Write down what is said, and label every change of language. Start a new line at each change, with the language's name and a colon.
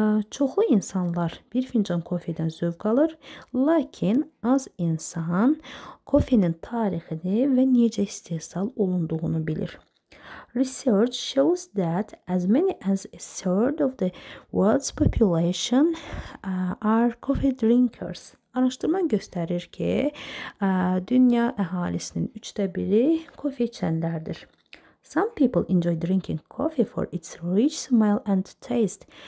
Azerbaijani: Çoxlu insanlar bir fincan kofedən zövq alır, lakin az insan kofenin tarixini və necə istehsal olunduğunu bilir.
English: Research shows that as many as a third of the world's population are coffee drinkers.
Azerbaijani: Araşdırma göstərir ki, dünya əhalisinin 3-də 1-i kofe içənlərdir.
English: Some people enjoy drinking coffee for its rich smell and taste.